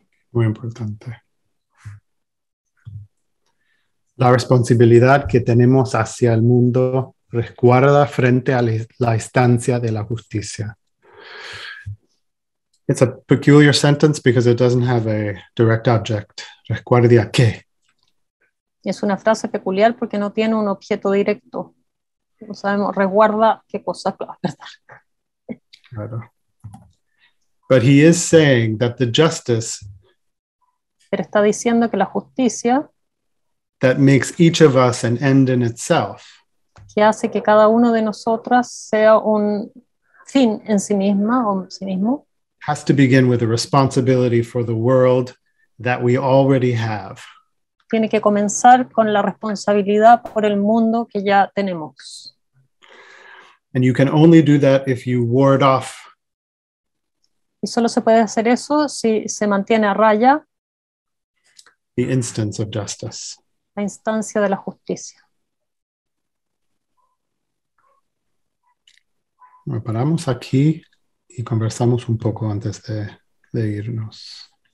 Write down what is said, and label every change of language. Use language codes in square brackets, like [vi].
[es] Muy importante. La responsabilidad que tenemos hacia el mundo resguarda frente a la instancia de la justicia. [en] It's a peculiar sentence because it doesn't have a direct object. [es] ¿Resguarda qué? Es una frase peculiar porque no tiene un objeto directo. No sabemos, ¿resguarda qué cosa? [en] Claro. But he is saying that the justice... [es] Pero está diciendo que la justicia... [en] That makes each of us an end in itself. [es] Que hace que cada uno de nosotras sea un fin en sí misma o en sí mismo. [en] Has to begin with a responsibility for the world that we already have. [es] Tiene que comenzar con la responsabilidad por el mundo que ya tenemos. [en] And you can only do that if you ward off. [es] Y solo se puede hacer eso si se mantiene a raya. [en] The instance of justice. [es] La instancia de la justicia. Bueno, paramos aquí y conversamos un poco antes de irnos.